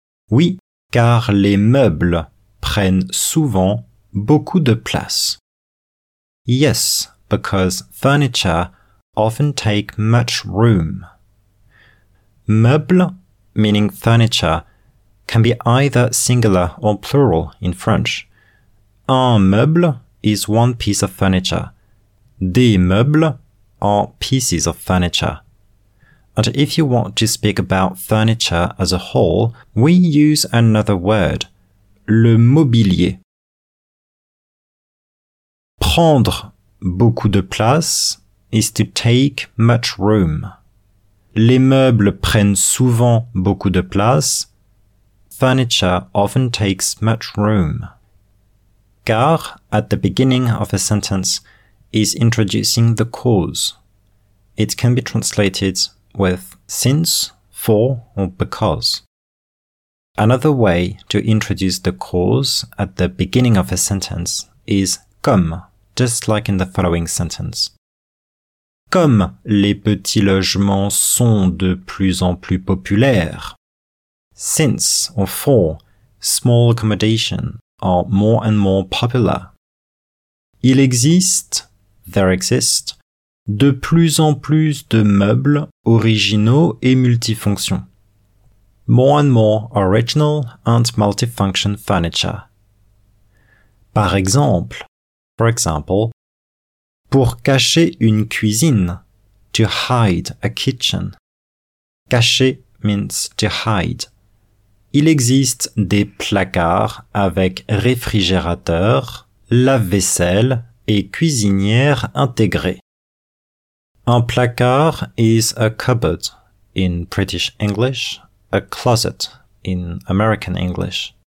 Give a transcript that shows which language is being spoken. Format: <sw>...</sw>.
<fr>Oui, car les meubles prennent souvent beaucoup de place.</fr> <en>Yes, because furniture often take much room. Meuble, meaning furniture, can be either singular or plural in French. Un meuble is one piece of furniture. Des meubles are pieces of furniture. And if you want to speak about furniture as a whole, we use another word, le mobilier. Prendre beaucoup de place is to take much room.</en> <fr>Les meubles prennent souvent beaucoup de place.</fr> <en>Furniture often takes much room. Car, at the beginning of a sentence, is introducing the cause. It can be translated with since, for, or because. Another way to introduce the cause at the beginning of a sentence is comme, just like in the following sentence.</en> <fr>Comme les petits logements sont de plus en plus populaires.</fr> <en>Since, or for, small accommodation are more and more popular.</en> <fr>Il existe,</fr> <en>there exist,</en> <fr>de plus en plus de meubles originaux et multifonctions.</fr> <en>More and more original and multifunction furniture.</en> <fr>Par exemple,</fr> <en>for example,</en> <fr>pour cacher une cuisine,</fr> <en>to hide a kitchen.</en> <fr>Cacher</fr> <en>means to hide.</en> <fr>Il existe des placards avec réfrigérateur, lave-vaisselle et cuisinière intégrée.</fr> <en>Un placard is a cupboard in British English, a closet in American English.</en>